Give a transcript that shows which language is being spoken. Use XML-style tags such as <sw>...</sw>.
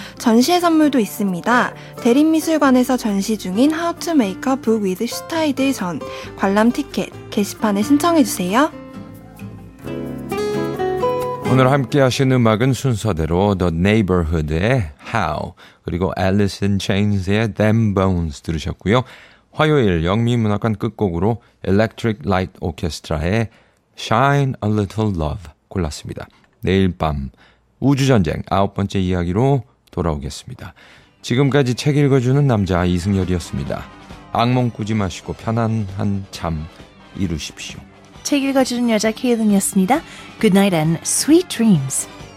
<ko>전시의 선물도 있습니다. 대림미술관에서 전시 중인 하우투메이크업 북 위드 슈타이드 전 관람 티켓 게시판에 신청해주세요. 오늘 함께 하신 음악은 순서대로 The Neighborhood의 How 그리고 Alice in Chains의 Them Bones 들으셨고요. 화요일 영미문학관 끝곡으로 Electric Light Orchestra의 Shine a Little Love 골랐습니다. 내일 밤 우주전쟁 아홉 번째 이야기로 돌아오겠습니다. 지금까지 책 읽어주는 남자 이승열이었습니다. 악몽 꾸지 마시고 편안한 잠 이루십시오. 책 읽어주는 여자 케이든이었습니다.</ko> <en>Good night and sweet dreams.</en>